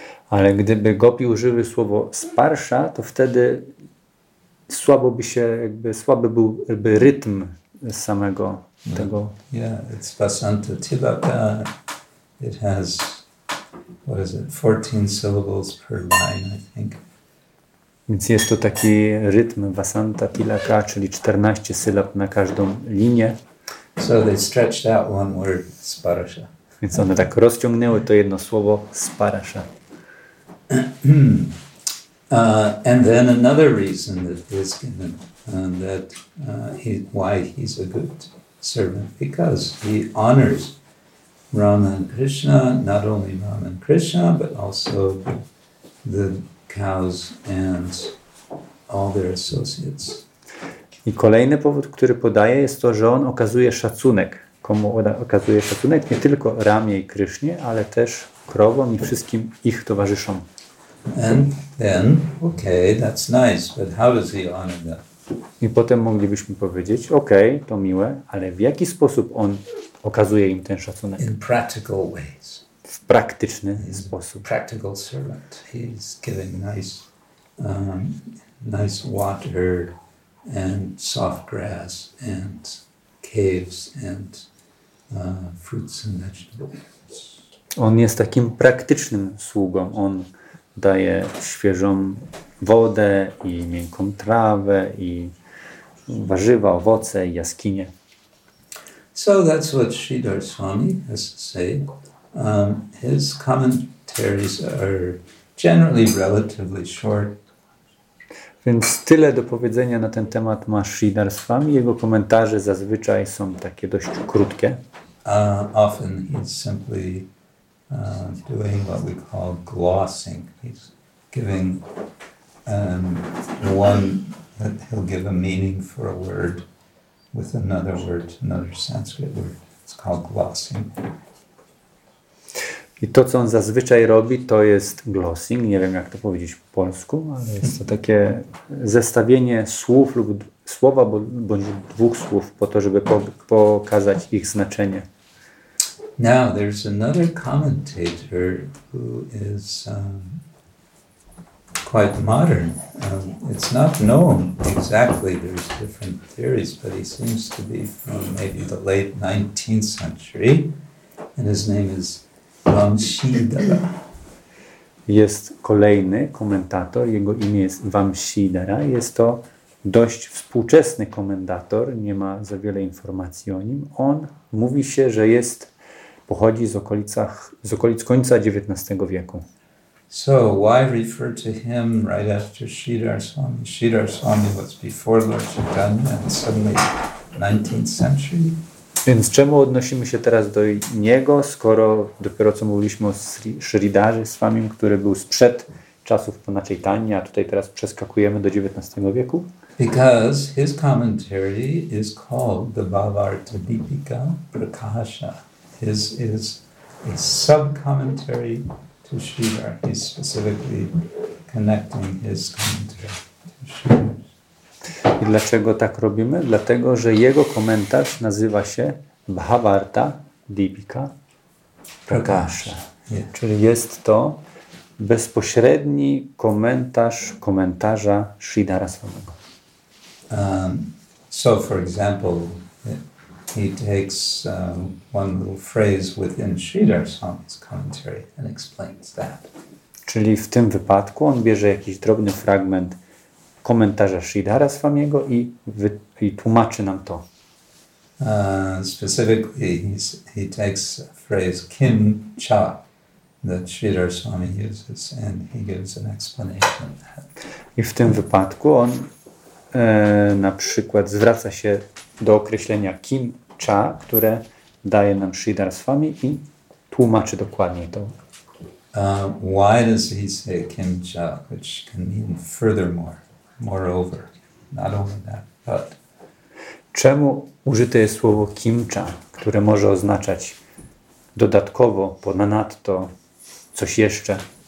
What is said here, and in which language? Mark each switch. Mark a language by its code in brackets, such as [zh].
[pl] Ale gdyby gopi użyły słowo sparsha, to wtedy słabo by się, jakby słaby byłby rytm samego tego. [en] Yeah, it's Vasanta Tilaka. It has what is it, 14 syllables per line, I think. [pl] Więc jest to taki rytm Vasanta Tilaka, czyli 14 sylab na każdą linię. [en] So they stretched out one word, Sparasha. [pl] Więc one tak rozciągnęły to jedno słowo, Sparasha. [en] And then another reason that is given, that why he's a good servant, because he honors Rama and Krishna, not only Rama and Krishna, but also the cows and all their associates. [pl] I kolejny powód, który podaje, jest to, że on okazuje szacunek. Komu okazuje szacunek? Nie tylko Ramie i Krysznie, ale też krowom i wszystkim ich towarzyszom. [en] And then, okay, that's nice, but how does he honor them? [pl] I potem moglibyśmy powiedzieć, ok, to miłe, ale w jaki sposób on okazuje im ten szacunek? [en] In practical ways. [pl] W praktyczny sposób. [en] Practical servant. He's giving nice, nice water and soft grass and caves and fruits and vegetables. [pl] On jest takim praktycznym sługą. On daje świeżą wodę i miękką trawę i warzywa, owoce i jaskinie. [en] So that's what Sridhar Swami has to say. His commentaries are generally relatively short. [pl] Więc tyle do powiedzenia na ten temat ma Sridhar Swami. Jego komentarze zazwyczaj są takie dość krótkie. [en] Often he's simply doing what we call glossing. He's giving one, he'll give a meaning for a word with another word, another Sanskrit word. It's called glossing. [pl] I to, co on zazwyczaj robi, to jest glossing. Nie wiem, jak to powiedzieć po polsku, ale jest to takie zestawienie słów lub słowa bądź dwóch słów po to, żeby pokazać ich znaczenie. [en] Now, there's another commentator who is quite modern. It's not known exactly. There's different theories, but he seems to be from maybe the late 19th century. And his name is Vamsidhara. [pl] Jest kolejny komentator. Jego imię jest Vamsidhara. Jest to dość współczesny komentator. Nie ma za wiele informacji o nim. On mówi się, że jest pochodzi z okolic końca XIX wieku. [en] So why refer to him right after Sridhar Swami? Sridhar Swami was before Lord Chaitanya and suddenly 19th century. [pl] Więc czemu odnosimy się teraz do niego, skoro dopiero co mówiliśmy o Sridharze Swami, który był sprzed czasów Pana Chaitanya, a tutaj teraz przeskakujemy do XIX wieku? [en] Because his commentary is called the Bhavartha Deepika Prakasha. His is a sub-commentary to Sridhar. He's specifically connecting his commentary to Sridhar. [pl] I dlaczego tak robimy? Dlatego, że jego komentarz nazywa się Bhavartha Deepika Prakasha. Czyli jest to bezpośredni komentarz komentarza Sridhara samego. [en] So for example, he takes one little phrase within Sridhar Swami's commentary and explains that. [pl] Czyli w tym wypadku on bierze jakiś drobny fragment komentarza Sridhara Swamiego i tłumaczy nam to. [en] Specifically, he takes a phrase kim cha that Sridhar Swami uses and he gives an explanation of that. [pl] I w tym wypadku on na przykład zwraca się do określenia kim cha, które daje nam Sridhar Swami i tłumaczy dokładnie to. [en] Why does he say kim cha, which can mean furthermore? Moreover, not only that, but... [pl] Czemu użyte jest słowo kimcha, które może oznaczać dodatkowo, ponadto, coś jeszcze?